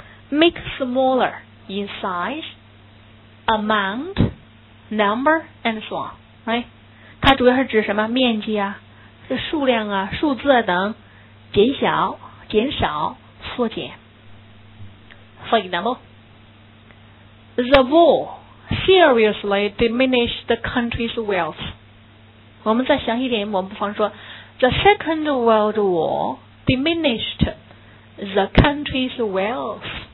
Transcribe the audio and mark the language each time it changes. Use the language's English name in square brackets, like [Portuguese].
[English] Make smaller in size, amount, number, and so on. [Chinese] Right? 它主要是指什么？面积啊，这数量啊，数字啊等，减小、减少、缩减。 [English] For example, the war seriously diminished the country's wealth. [Chinese] 我们再详细一点，我们不妨说 [English] The Second World War diminished the country's wealth.